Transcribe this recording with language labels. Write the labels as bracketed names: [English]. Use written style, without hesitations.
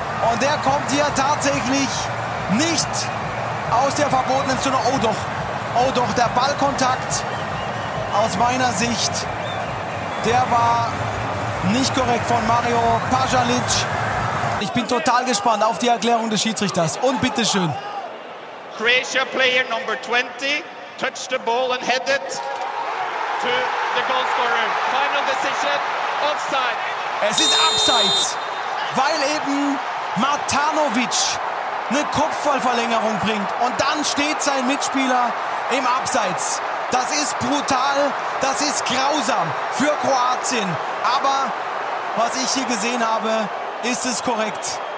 [German] Und er kommt hier tatsächlich nicht aus der verbotenen Zone. Oh doch, der Ballkontakt aus meiner Sicht, der war nicht korrekt von Mario Pajalic. Ich bin total gespannt auf die Erklärung des Schiedsrichters. Und bitteschön. [English] Croatia player number 20 touched the ball and headed to the goal scorer. [German] Es ist Abseits, weil eben Martanovic eine Kopfballverlängerung bringt und dann steht sein Mitspieler im Abseits. Das ist brutal, das ist grausam für Kroatien, aber was ich hier gesehen habe, ist es korrekt.